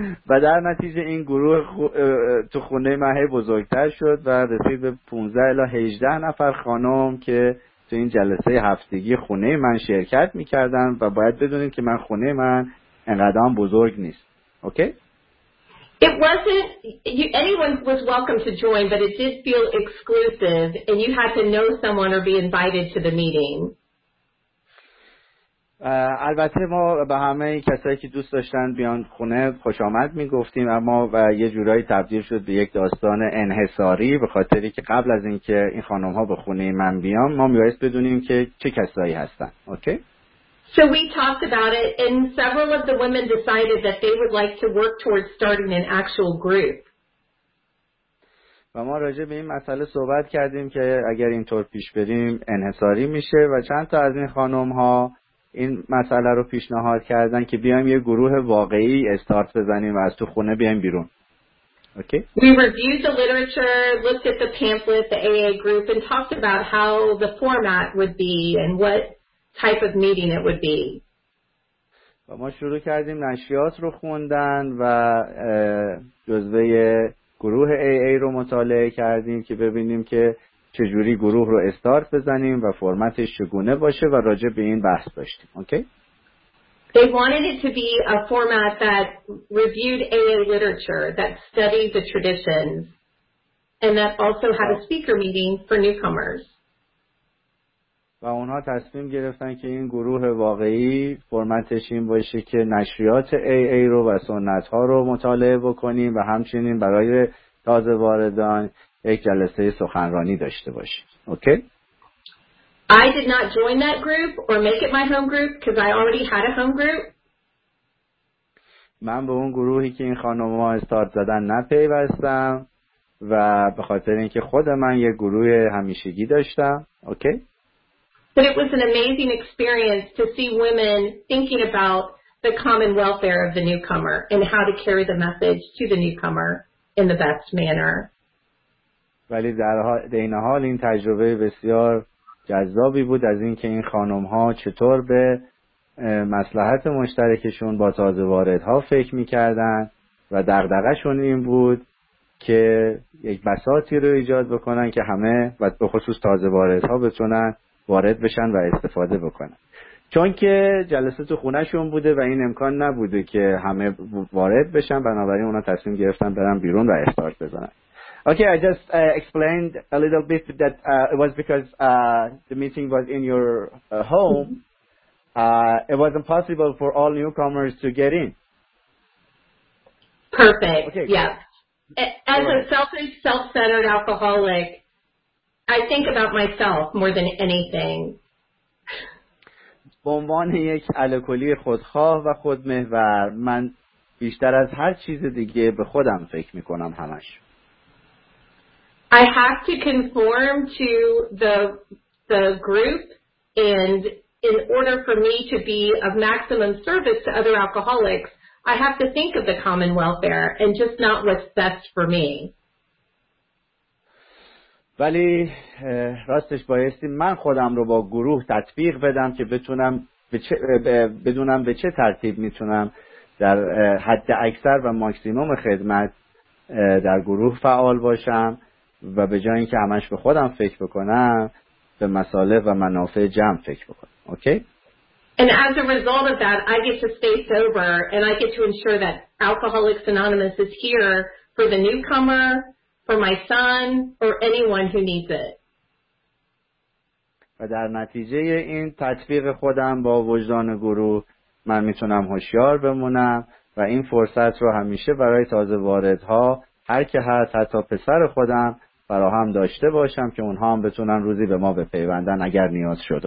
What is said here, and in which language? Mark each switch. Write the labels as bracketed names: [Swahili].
[Persian] و در نتیجه این گروه تو خونه مهی بزرگتر شد و رسید به 15 الی 18 نفر خانم که تو این جلسه هفتگی خونه من شرکت میکردن و باید بدونید که من خونه من انقدام بزرگ نیست. [English] Okay? It wasn't, anyone was welcome to join, but it did feel exclusive and you had to know someone or be invited to the meeting. [Persian] البته ما به همه کسایی که دوست داشتن بیان خونه خوش آمد می گفتیم، اما و یه جورایی تبدیل شد به یک داستان انحصاری به خاطری که قبل از اینکه این خانم ها به خونه من بیان ما میبایست بدونیم که چه کسایی هستن. [English] Okay? So we talked about it and several of the women decided that they would like to work towards starting an actual group. [Persian] و ما راجع به این مسئله صحبت کردیم که اگر اینطور پیش بریم انحصاری میشه و چند تا از این خانم ها این مسئله رو پیشنهاد کردن که بیایم یه گروه واقعی استارت بزنیم و از تو خونه بیایم بیرون. [English] Okay? We reviewed the literature, looked at the pamphlet, the AA group and talked about how the format would be and what type of meeting it would be. [Persian] و ما شروع کردیم نشریات رو خوندن و جزوه گروه AA رو مطالعه کردیم که ببینیم که چجوری گروه رو استارت بزنیم و فرمتش چگونه باشه و راجع به این بحث داشتیم. [English] Okay? They wanted it to be a format that reviewed AA literature, that studied the traditions, and that also had a speaker meeting for newcomers. [Persian] و اونها تصمیم گرفتن که این گروه واقعی فرمتش این باشه که نشریات AA رو و سنت ها رو مطالعه بکنیم و همچنین برای تازه واردان یک جلسه سخنرانی داشته باشید. [English] Okay? I did not join that group or make it my home group because I already had a home group. [Persian] من به اون گروهی که این خانم ها استارت زدن نپیوستم و به خاطر اینکه خود من یک گروه همیشگی داشتم. [English] Okay? But it was an amazing experience to see women thinking about the common welfare of the newcomer and how to carry the message to the newcomer in the best manner. [Persian] ولی در این حال این تجربه بسیار جذابی بود از اینکه این خانم ها چطور به مصلحت مشترکشون با تازه واردها فکر میکردن و دغدغه‌شون این بود که یک بساطی رو ایجاد بکنن که همه و به خصوص تازه واردها بتونن وارد بشن و استفاده بکنن، چون که جلسه تو خونه‌شون بوده و این امکان نبوده که همه وارد بشن، بنابراین اونا تصمیم گرفتن برن بیرون و استارت بزنن. [English] Okay, I just explained a little bit that it was because the meeting was in your home. It was impossible for all newcomers to get in. Perfect. Okay, yeah. As a selfish, self-centered alcoholic, I think about myself more than anything. [Persian] به عنوان یک الکلی خودخواه و خودمحور، من بیشتر از هر چیز دیگه به خودم فکر می‌کنم همش. [English] I have to conform to the group and in order for me to be of maximum service to other alcoholics, I have to think of the common welfare and just not what's best for me. [Persian] ولی راستش بایستی من خودم رو با گروه تطبیق بدم که بتونم بدونم به چه ترتیب میتونم در حد اکثر و ماکسیموم خدمت در گروه فعال باشم و به جای اینکه همش به خودم فکر بکنم به مصالح و منافع جمع فکر بکنم. [English] Okay? And as a result of that, I get to stay sober and I get to ensure that Alcoholics Anonymous is here for the newcomer, for my son, or anyone who needs it. [Persian] و در نتیجه این تطبیق خودم با وجدان گروه من میتونم هوشیار بمونم و این فرصت رو همیشه برای تازه واردها هر که هست حتی پسر خودم فراهم داشته باشم که اونها هم بتونن روزی به ما بپیوندن اگر نیاز شد.